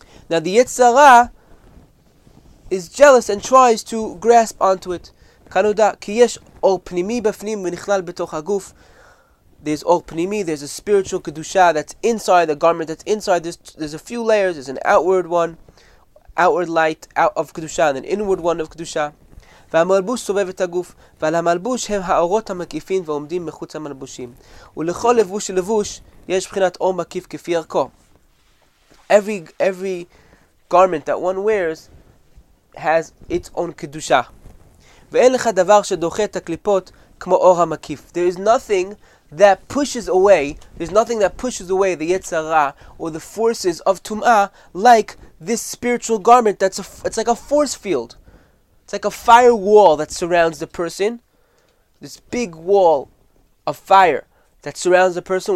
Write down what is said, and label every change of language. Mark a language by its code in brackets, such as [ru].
[en] Now the Yetzara is jealous and tries to grasp onto it. [he] Kanuda, ki yesh or pnimi befnim v'nichlal betoch haguf. [en] There's or pnimi, there's a spiritual Kedusha that's inside the garment, that's inside. There's a few layers. There's an outward one, outward light out of Kedusha, and an inward one of Kedusha. [he] והמלבוש סובב את הגוף, ועל המלבוש הם האורות המקיפים ועומדים מחוץ המלבושים. ולכל לבוש לבוש יש בחינת אור מקיף כפי ערכו. [en] Every garment that one wears has its own קדושה. [he] ואין לך דבר שדוחה את הקליפות כמו אור המקיף. [en] There is nothing that pushes away, the Yetzara or the forces of Tum'ah like this spiritual garment that's it's like a force field. It's like a fire wall that surrounds the person. This big wall of fire that surrounds the person.